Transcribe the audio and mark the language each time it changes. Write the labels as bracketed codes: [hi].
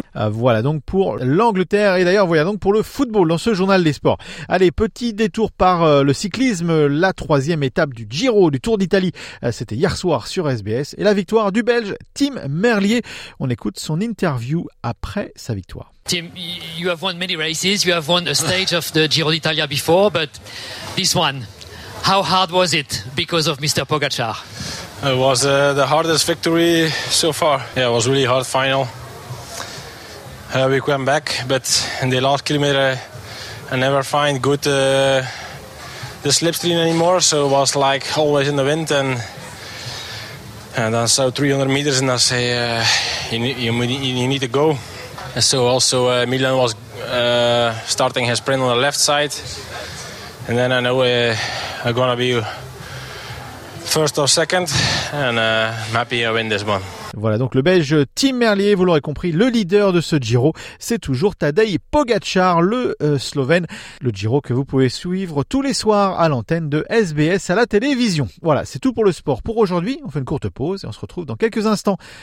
[fr] Voilà donc pour l'Angleterre et d'ailleurs voilà donc pour le football dans ce journal des sports. Allez, petit détour par le cyclisme, la 3e étape du Giro du Tour d'Italie. C'était hier soir sur SBS et la victoire du Belge Tim Merlier. On écoute son interview après sa victoire. [en] Tim, you have won many races, you have won a stage of the Giro d'Italia before, but this one, how hard was it because of Mr. Pogacar? It was the hardest victory so far. Yeah, it was really hard final. We came back, but in the last kilometer, I never find good the slipstream anymore. So it was like always in the wind, and I saw 300 meters, and I say you need to go. And so also Milan was starting his sprint on the left side, and then I know I'm gonna be first or second, and I'm happy I win this one. [fr] Voilà donc le Belge Tim Merlier, vous l'aurez compris, le leader de ce Giro, c'est toujours Tadej Pogacar, le Slovène. Le Giro que vous pouvez suivre tous les soirs à l'antenne de SBS à la télévision. Voilà, c'est tout pour le sport pour aujourd'hui. On fait une courte pause et on se retrouve dans quelques instants.